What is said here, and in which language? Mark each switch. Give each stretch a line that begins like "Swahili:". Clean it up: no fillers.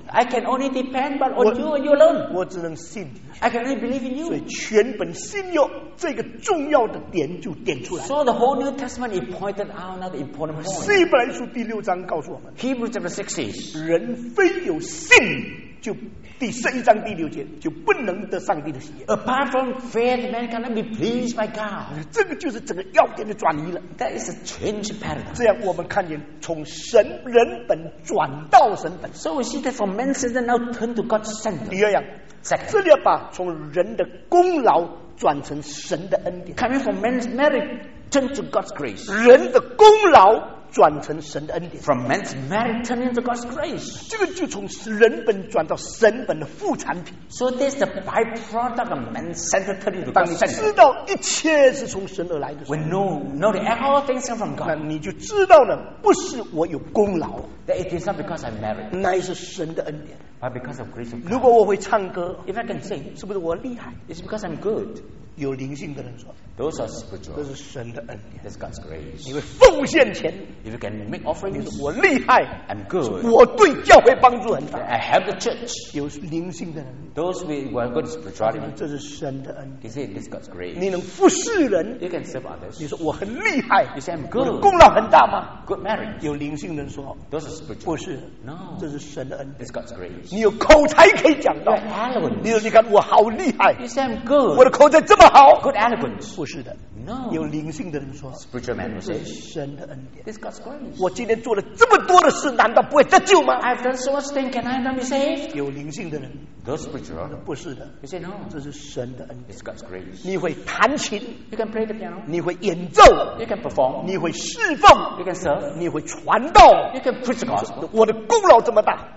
English: I can only depend but on you and you alone.
Chinese: 我只能信你。
English: I can only believe in you.
Chinese: 所以全本新约这个重要的点就点出来。
English: So the whole New Testament it pointed out another important point.
Chinese: 希伯来书第六章告诉我们。
English: Hebrews chapter six says,
Chinese: 人非有信，就第十一章第六节就不能得上帝的喜悦。
English: Apart from faith, man cannot be pleased by God.
Chinese: 这个就是整个要点的转移了。
English: That is a change paradigm.
Chinese: 这样我们看见从神人本转到神本。
English: So we see that from man's center now turn to God's center.
Chinese: 第二样。
English: Second,
Chinese: 这里要把从人的功劳转成神的恩典。
English: Coming from man's merit, turn to God's grace.
Chinese: 人的功劳转成神的恩典。
English: From man's merit, turn into God's grace.
Chinese: 这个就从人本转到神本的副产品。
English: So this is the byproduct of man's center turning into God's center.
Chinese: 当你知道一切是从神而来的时候
English: ，When know that all things come from God,
Chinese: 那你就知道了，不是我有功劳
English: ，That it is not because I merit.
Chinese: 那也是神的恩典。
English: Because of grace of God.
Chinese: 如果我会唱歌
English: ，If I can sing，
Chinese: 是不是我厉害
English: ？It's because I'm good.
Chinese: 有灵性的人说
English: ，Those are spiritual.
Chinese: 这是神的恩典
English: ，That's God's grace.
Chinese: 因为奉献钱
English: ，If you can make offerings，
Chinese: 你说我厉害
English: ，I'm good.
Chinese: 我对教会帮助很大
English: ，I help the church.
Chinese: 有灵性的人
English: ，Those who are good spiritually，
Chinese: 这是神的恩典
English: ，They say this God's grace.
Chinese: 你能服侍人
English: ，You can serve others.
Chinese: 你说我很厉害
English: ，You say I'm good.
Chinese: 我功劳很大吗
English: ？Good merit.
Chinese: 有灵性的人说
English: ，Those are spiritual.
Chinese: 不是
English: ，No.
Chinese: 这是神的恩典
English: ，This God's grace.
Chinese: 你有口才可以讲到
English: eloquence，
Chinese: 你说你看我好厉害
English: ，You say I'm good，
Chinese: 我的口才这么好
English: ，Good eloquence，
Chinese: 不是的
English: ，No，
Chinese: 有灵性的人说
English: ，Spiritual man will say，
Chinese: 神的恩典
English: ，This God's grace，
Chinese: 我今天做了这么多的事，难道不会得救吗
English: ？I've done so much thing， can I not be saved？
Chinese: 有灵性的人
English: ，Those spiritual，
Chinese: 不是的
English: ，You say no，
Chinese: 这是神的恩典
English: ，It's God's grace，
Chinese: 你会弹琴
English: ，You can play the piano，
Chinese: 你会演奏
English: ，You can perform，
Chinese: 你会侍奉
English: ，You can serve，
Chinese: 你会传道
English: ，You can preach the gospel，
Chinese: 我的功劳这么大